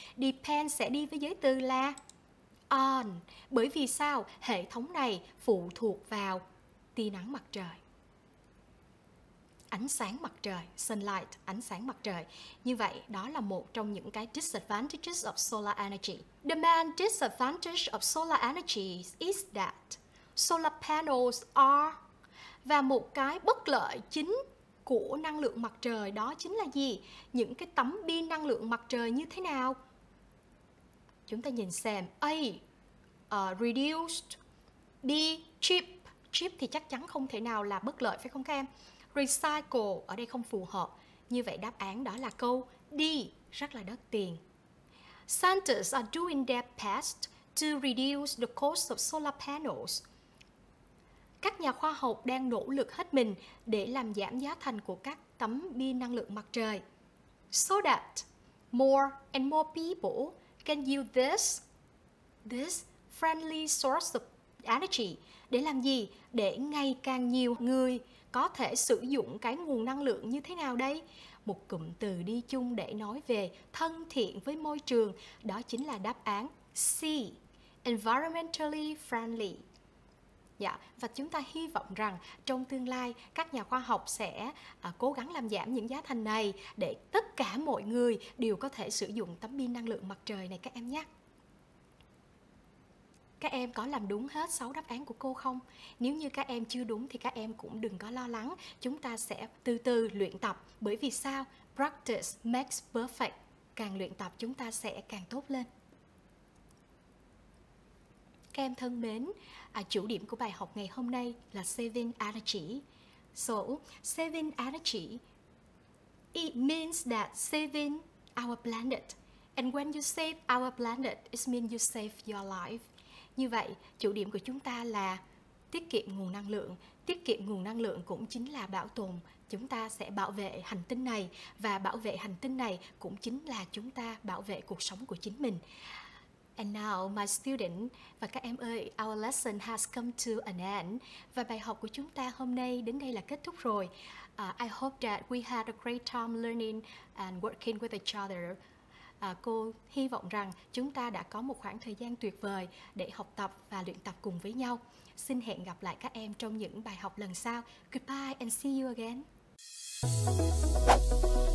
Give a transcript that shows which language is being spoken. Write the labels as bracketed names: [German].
[Vietnamese] Depend sẽ đi với giới từ là on. Bởi vì sao? Hệ thống này phụ thuộc vào tia nắng mặt trời. Ánh sáng mặt trời, sunlight, ánh sáng mặt trời. Như vậy, đó là một trong những cái [English] disadvantages of solar energy. The main disadvantage of solar energy is that solar panels are... [Vietnamese] Và một cái bất lợi chính của năng lượng mặt trời đó chính là gì? Những cái tấm pin năng lượng mặt trời như thế nào? Chúng ta nhìn xem. [English] A. Reduced. B. Cheap. [Vietnamese] Cheap thì chắc chắn không thể nào là bất lợi, phải không các em? Recycle ở đây không phù hợp. Như vậy đáp án đó là câu D, rất là đắt tiền. [English] Scientists are doing their best to reduce the cost of solar panels. [Vietnamese] Các nhà khoa học đang nỗ lực hết mình để làm giảm giá thành của các tấm pin năng lượng mặt trời. [English] So that more and more people can use this friendly source of energy. [Vietnamese] Để làm gì? Để ngày càng nhiều người có thể sử dụng cái nguồn năng lượng như thế nào đây? Một cụm từ đi chung để nói về thân thiện với môi trường, đó chính là đáp án C, [English] environmentally friendly. [Vietnamese] Dạ, và chúng ta hy vọng rằng trong tương lai, các nhà khoa học sẽ cố gắng làm giảm những giá thành này để tất cả mọi người đều có thể sử dụng tấm pin năng lượng mặt trời này các em nhé. Các em có làm đúng hết 6 đáp án của cô không? Nếu như các em chưa đúng thì các em cũng đừng có lo lắng. Chúng ta sẽ từ từ luyện tập. Bởi vì sao? [English] Practice makes perfect. [Vietnamese] Càng luyện tập chúng ta sẽ càng tốt lên. Các em thân mến, chủ điểm của bài học ngày hôm nay là [English] saving energy. So, saving energy, it means that saving our planet. And when you save our planet, it means you save your life. [Vietnamese] Như vậy, chủ điểm của chúng ta là tiết kiệm nguồn năng lượng. Tiết kiệm nguồn năng lượng cũng chính là bảo tồn. Chúng ta sẽ bảo vệ hành tinh này, và bảo vệ hành tinh này cũng chính là chúng ta bảo vệ cuộc sống của chính mình. [English] And now, my student, [Vietnamese] và các em ơi, [English] our lesson has come to an end. [Vietnamese] Và bài học của chúng ta hôm nay đến đây là kết thúc rồi. [English] I hope that we had a great time learning and working with each other. [Vietnamese] Cô hy vọng rằng chúng ta đã có một khoảng thời gian tuyệt vời để học tập và luyện tập cùng với nhau. Xin hẹn gặp lại các em trong những bài học lần sau. [English] Goodbye and see you again.